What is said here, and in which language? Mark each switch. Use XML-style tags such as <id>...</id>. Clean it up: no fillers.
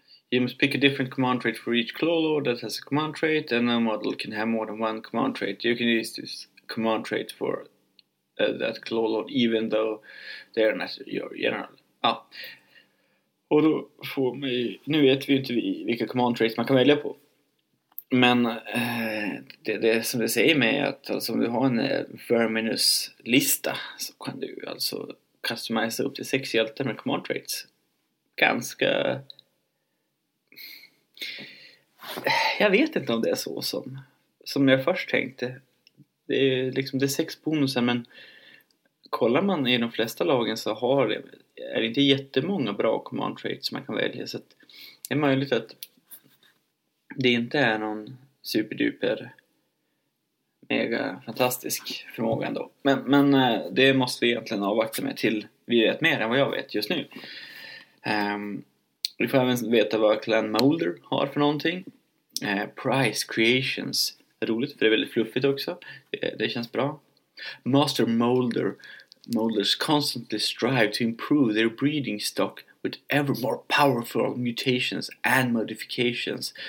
<en>You must pick a different command trait for each Clawlord that has a command trait, and no model can have more than one command trait. You can use this command trait for that Clawlord, even though they're not your general. Ah.</en> <sv>Och då får man ju, nu vet vi ju inte vilka command traits man kan välja på. Men det som det säger mig är att alltså, om du har en Verminus-lista så kan du alltså customize upp till 6 hjältar med command traits. Ganska... Jag vet inte om det är så som jag först tänkte. Det är liksom det är 6 bonusar, men kollar man i de flesta lagen så är det inte jättemånga bra command traits man kan välja. Så att det är möjligt att det inte är någon superduper mega fantastisk förmåga ändå. Men det måste vi egentligen avvakta med till vi vet mer än vad jag vet just nu. Vi får även veta vad Clan Molder har för någonting. Prize Creations. Roligt, för det är väldigt fluffigt också. Det känns bra. Master Molder.</sv> <en>Molders constantly strive to improve their breeding stock with ever more powerful mutations and modifications.</en>